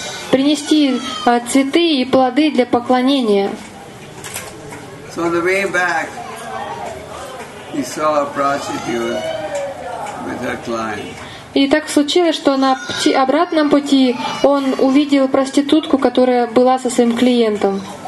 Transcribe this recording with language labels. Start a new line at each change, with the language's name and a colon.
Russian: Принести цветы и плоды для поклонения.
English: So on the way back, he saw a prostitute with her client.
Russian: И так случилось, что на обратном пути он увидел проститутку, которая была со своим клиентом.